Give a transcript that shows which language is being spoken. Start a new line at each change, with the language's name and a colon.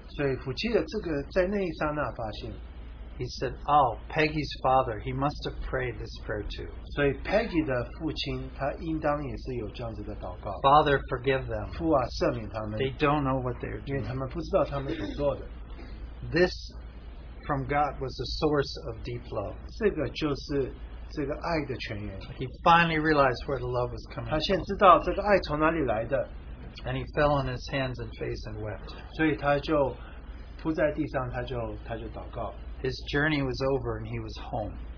Chinese: 所以福奇的这个在那一刹那发现。
English: He said, oh, Peggy's father, he must have prayed this prayer too.
Chinese: 所以Peggy的父亲,他应当也是有这样子的祷告。
English: Father, forgive them.
Chinese: 父啊,赦免他们。
English: They don't know what they're doing.
Chinese: 因为他们不知道他们所做的。
English: This, from God, was the source of deep love.
Chinese: 这个就是这个爱的泉源。
English: He finally realized where the love was coming from.
Chinese: 他现在知道这个爱从哪里来的。
English: And he fell on his hands and face and wept.
Chinese: 所以他就扑在地上,他就祷告。
English: His journey was over and he was home.